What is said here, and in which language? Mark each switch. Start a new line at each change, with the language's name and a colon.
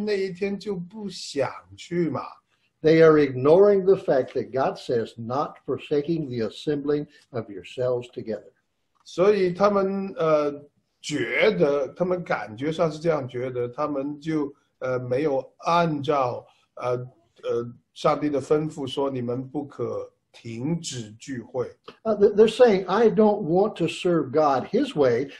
Chinese: 是他们觉得他们那一天就不想去嘛。
English: They are ignoring the fact that God says not forsaking the assembling of yourselves together.
Chinese: 所以他们觉得他们感觉上是这样觉得他们就没有按照上帝的吩咐说你们不可停止聚会。
English: They're saying, I don't want to serve God his way.